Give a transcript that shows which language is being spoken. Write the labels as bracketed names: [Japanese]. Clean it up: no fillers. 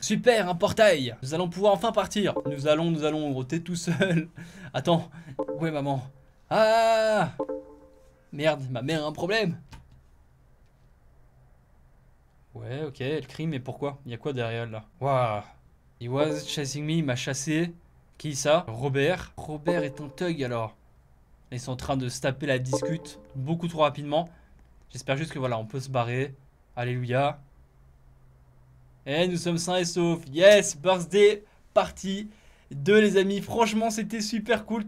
[French] Super, un portail. Nous allons pouvoir enfin partir. Nous allons rôter tout seul. Attends, où est maman? Ah! Merde, ma mère a un problème. Ouais, ok, elle crie, mais pourquoi? Il y a quoi derrière elle, là? Waouh. [English] He was chasing me, [French] il m'a chassé. Qui ça? Robert. Robert est un thug, alors. Ils sont en train de se taper la discute beaucoup trop rapidement. J'espère juste que voilà, on peut se barrer. Alléluia. Et nous sommes sains et saufs. [English] Yes, birthday [French] partie 2, les amis. Franchement, c'était super cool.